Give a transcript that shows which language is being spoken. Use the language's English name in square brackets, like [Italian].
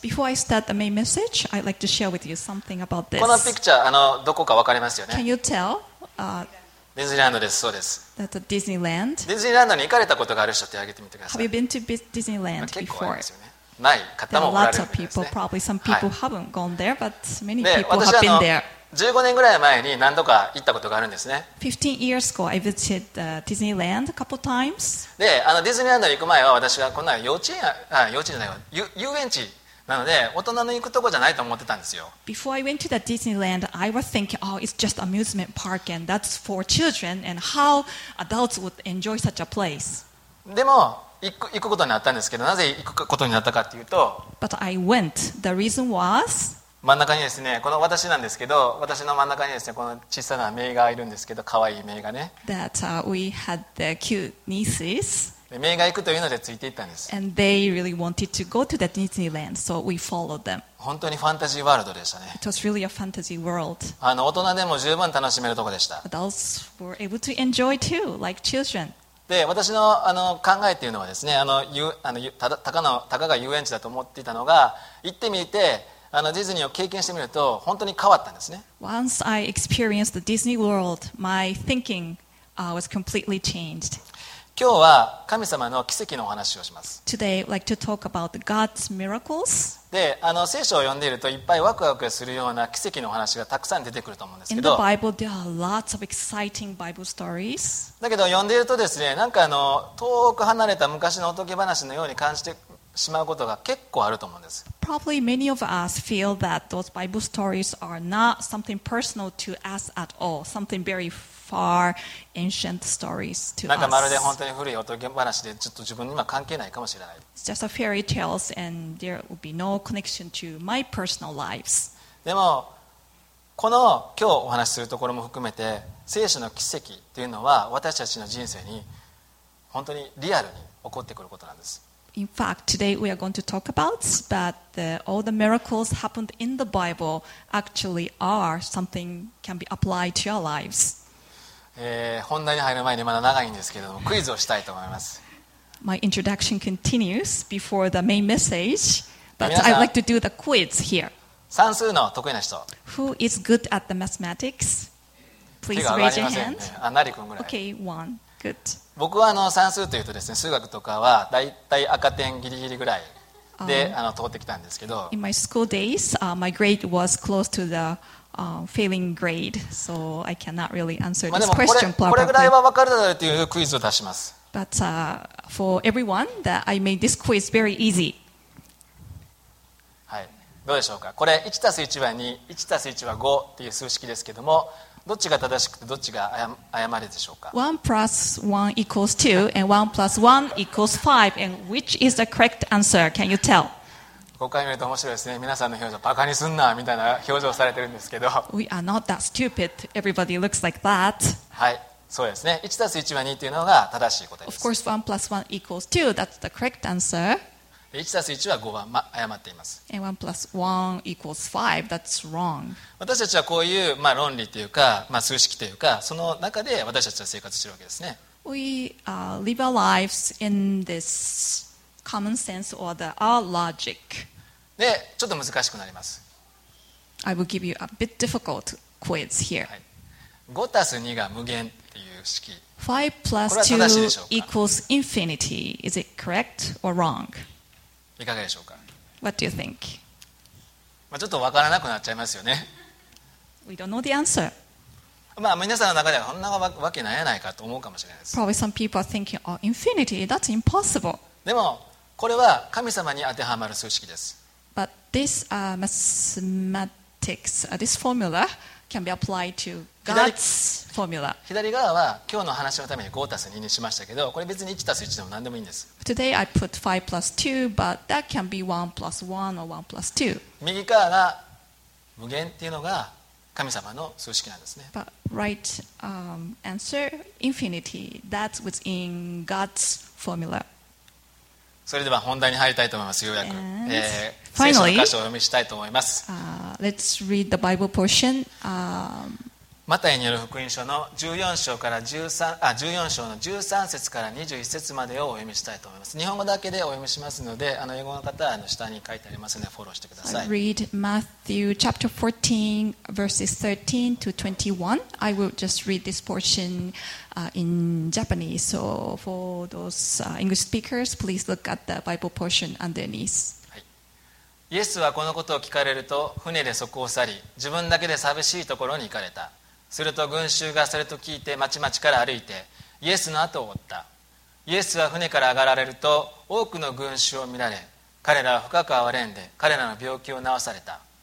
[English] Before I start the main message, I'd like to share with you something about this. [Japanese] このピクチャー、どこか分かりますよね。 [English] Can you tell? [Japanese] ディズニーランドです。そうです。 [English] That's a Disneyland. [Japanese] ディズニーランドに行かれたことがある人って挙げてみてください。 [English] Have you been to Disneyland before? [Japanese] 結構ありますよね。ない方もおられるんですね。 [English] There are lots of people. Probably some people haven't gone there, but many people have been there. [Japanese] 15年ぐらい前に何度か行ったことがあるんですね。 [English] 15 years ago, I visited Disneyland a couple times. [Japanese] で、ディズニーランドに行く前は私はこんな幼稚園じゃないわ、遊園地。なので大人の行くとこじゃないと思ってたんですよ。 [English] Before I went to the Disneyland, I was thinking, oh, it's just amusement park and that's for children and how adults would enjoy such a place. [Japanese] でも行くことになったんですけど、なぜ行くことになったかっていうと、 [English] But I went. The reason was [Japanese] 真ん中にですね、この私なんですけど、私の真ん中にですね、この小さなメイがいるんですけど、可愛いメイがね。 [English] That we had the cute nieces. [Japanese] メイが行くというのでついて行ったんです。 [English] And they really wanted to go to the Disneyland, so we followed them. [Japanese] 本当にファンタジーワールドでしたね。 [English] It was really a fantasy world. [Japanese] 大人でも十分楽しめるところでした。 [English] Adults were able to enjoy too, like children. [Japanese] で、私の考えというのはですね、たかが遊園地だと思っていたのが、行ってみて、ディズニーを経験してみると本当に変わったんですね。 [English] Once I experienced the Disney World, my thinking was completely changed. [Japanese] 今日は神様の奇跡のお話をします。 [English] Today, I'd like to talk about God's miracles. [Japanese] で、聖書を読んでいるといっぱいワクワクするような奇跡のお話がたくさん出てくると思うんですけど。 [English] In the Bible, there are lots of exciting Bible stories. [Japanese] だけど読んでいるとですね、なんか遠く離れた昔のおとぎ話のように感じてしまうことが結構あると思うんです。 [English] Probably many of us feel that those Bible stories are not something personal to us at all, something very far ancient stories to us. [Japanese] なんかまるで本当に古いおとぎ話でちょっと自分には関係ないかもしれない。 [English] It's just a fairy tales and there will be no connection to my personal lives. [Japanese] でもこの今日お話しするところも含めて、聖書の奇跡というのは私たちの人生に本当にリアルに起こってくることなんです。 [English] in fact, today we are going to talk about, but all the miracles happened in the Bible actually are something can be applied to our lives. [Japanese] 本題に入る前にまだ長いんですけれども、クイズをしたいと思います。 [English] My introduction continues before the main message, but I'd like to do the quiz here. [Japanese] 算数の得意な人。 [English] Who is good at the mathematics? Please raise your hand. [Japanese] 手が上がりませんね。あ、成君ぐらい。 [English] Okay, one. Good. [Japanese] 僕はあの算数というとですね、数学とかはだいたい赤点ギリギリぐらいで、あの通ってきたんですけど、 [English] In my school days, my grade was close to the failing grade, so I cannot really answer this question properly. [Japanese] これぐらいは分かるだろうというクイズを出します。 [English] But for everyone, that I made this quiz very easy. [Japanese] はい、どうでしょうか。これ1たす1は2、1たす1は5っていう数式ですけども、どっちが正しくてどっちが誤りでしょうか。 [English] 1 plus 1 equals 2 and 1 plus 1 equals 5 and which is the correct answer? Can you tell? [Japanese] 5回見ると面白いですね。皆さんの表情、バカにすんなみたいな表情されてるんですけど、 [English] We are not that stupid. Everybody looks like that. [Japanese] はい、そうですね。 1 plus 1は2というのが正しい答えです。 [English] Of course 1 plus 1 equals 2. That's the correct answer. [Japanese] 1たす1は5は、ま、誤っています。 [English] And 1 plus 1 equals 5, that's wrong. [Japanese] 私たちはこういう、まあ、論理というか、まあ、数式というか、その中で私たちは生活しているわけですね。 [English] We live our lives in this common sense or the, our logic. [Japanese] で、ちょっと難しくなります。 [English] I will give you a bit difficult quiz here. [Japanese] 5たす2が無限という式、 [English] 5 plus 2 equals infinity. Is it correct or wrong? [Japanese] いかがでしょうか。 [English] What do you think? [Japanese] まあちょっと分からなくなっちゃいますよね。 [English] We don't know the answer. [Japanese] まあ皆さんの中ではそんなわけないやないかと思うかもしれないです。 [English] Probably some people are thinking, oh, infinity, that's impossible. [Japanese] でもこれは神様に当てはまる数式です。 [English] But this mathematics, this formula can be applied to God's formula. [Japanese] 左側は今日の話のために5たす2にしましたけど、これ別に1たす1でも何でもいいんです。 [English] Today I put 5 plus 2, but that can be 1 plus 1 or 1 plus 2. [Japanese] 右側が無限っていうのが神様の数式なんですね。 [English] But right answer, infinity, that's within God's formula. [Japanese] それでは本題に入りたいと思います。ようやく。 [English] Finally, [Japanese] 聖書の箇所を読みしたいと思います。 [English] Let's read the Bible portion. [Japanese] マタイによる福音書の14章の13節から21節までをお読みしたいと思います。日本語だけでお読みしますので、あの英語の方はあの下に書いてありますのでフォローしてください。 [English] I read Matthew chapter 14 verses 13 to 21. I will just read this portion in Japanese. So for those English speakers, please look at the Bible portion underneath. [Japanese] イエスはこのことを聞かれると船でそこを去り、自分だけで寂しいところに行かれた。すると群衆がそれと聞いて町々から歩いてイエスの後を追った。イエスは船から上がられると多くの群衆を見られ、彼らは深く哀れんで彼らの病気を治された。